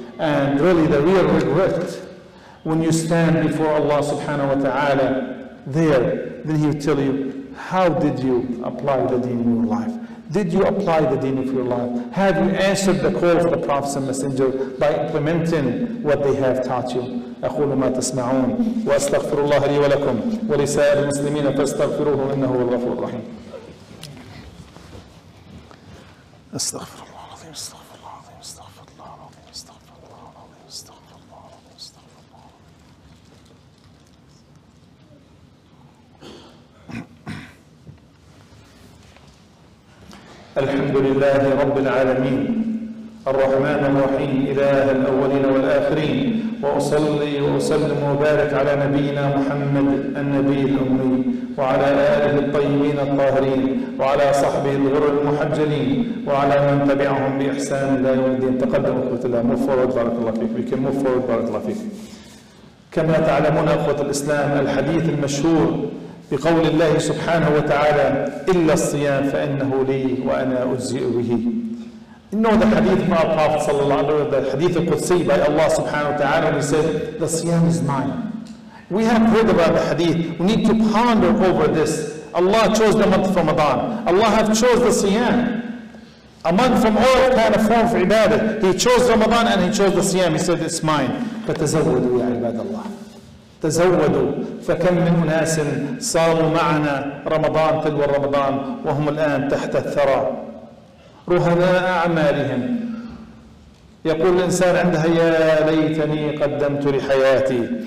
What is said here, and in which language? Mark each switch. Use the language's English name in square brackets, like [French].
[English] And really the real regret when you stand before Allah subhanahu wa ta'ala there, then He will tell you, how did you apply the deen in your life? Did you apply the deen of your life? Have you answered the call of the Prophet and Messenger by implementing what they have taught you? [Arabic] أقول ما تسمعون وأستغفر الله لي ولكم ولسائر المسلمين فاستغفروه إنه هو الغفور الرحيم. أستغفر الله العظيم. الحمد لله رب العالمين، الرحمن الرحيم، إله الأولين والآخرين، وأصلي وأسلم وبارك على نبينا محمد النبي الأمي، وعلى آله الطيبين الطاهرين، وعلى صحبه الغر المحجلين، وعلى من تبعهم بإحسان إلى يوم الدين. تقدم أخوة الله، [English] move forward [Arabic] بارك الله فيك، [English] we can move forward [Arabic] بارك الله فيك. كما تعلمون أخوة الإسلام، الحديث المشهور بقول الله سبحانه وتعالى: إلا الصيام فإنه لي وأنا أجزئ به. إنه ده حديث مع الطاف صلى الله عليه وسلم، ده حديث القدسي by الله سبحانه وتعالى. [English] He said, the siyam is mine. We have heard about the hadith. We need to ponder over this. Allah chose the month of Ramadan. Allah have chose the siyam. A month from all kind of form of ibadah. He chose Ramadan and He chose the siyam. He said, it's mine. [Arabic] فتزودوا يا عباد الله. تزودوا، فكم من أناس صاروا معنا رمضان تلو الرمضان وهم الآن تحت الثرى رهناء أعمالهم. يقول الإنسان عندها: يا ليتني قدمت لحياتي.